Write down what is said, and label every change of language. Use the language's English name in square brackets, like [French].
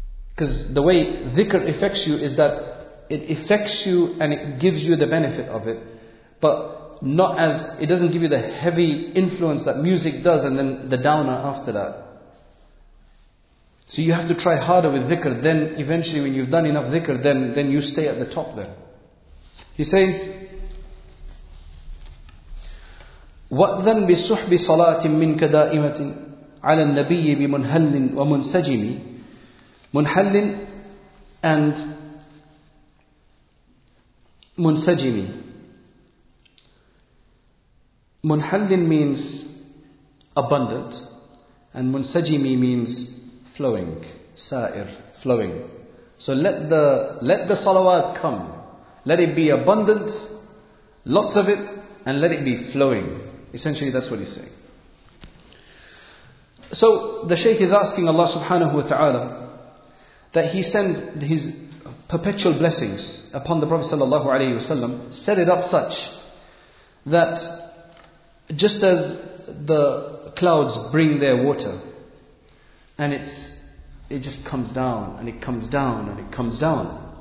[English] Because the way dhikr affects you is that it affects you and it gives you the benefit of it. But not as, it doesn't give you the heavy influence that music does and then the downer after that. So you have to try harder with dhikr, then eventually when you've done enough dhikr, then you stay at the top there. He says, [Arabic] وَأْذَنْ بِالصُّحْبِ صَلَاةٍ مِّنْكَ دَائِمَةٍ عَلَى النَّبِيِّ بِمُنْهَلٍ وَمُنْسَجِمِ مُنْحَلٍ and مُنْسَجِمِ مُنْحَلٍ [English] means abundant and [Arabic] مُنْسَجِمِ [English] means flowing, sair, flowing. So let the salawat come. Let it be abundant, lots of it, and let it be flowing. Essentially, that's what he's saying. So the shaykh is asking Allah subhanahu wa ta'ala that he send his perpetual blessings upon the Prophet sallallahu alayhi wa sallam, set it up such that just as the clouds bring their water and it just comes down and it comes down and it comes down.